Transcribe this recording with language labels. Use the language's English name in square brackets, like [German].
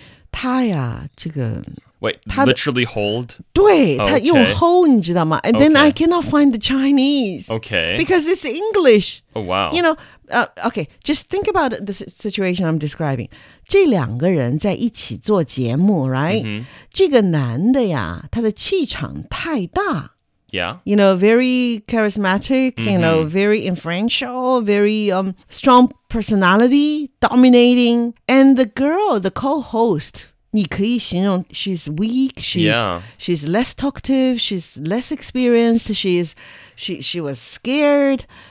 [Chinese] 他呀,这个... [English] literally hold? [Chinese] 对,他用 [English] hold, [Chinese] 你知道吗? [English] And then I cannot find the Chinese. Okay. Because it's English. Oh, wow. You know, just think about the situation I'm describing. [Chinese] 这两个人在一起做节目, [English] right? Mm-hmm. [Chinese] 这个男的呀,他的气场太大。 [English] Yeah. You know, very charismatic, mm-hmm. you know, very influential, very strong personality, dominating. And the girl, the co-host, [Chinese] 你可以形容, [English] she's weak, she's less talkative, she's less experienced, she was scared.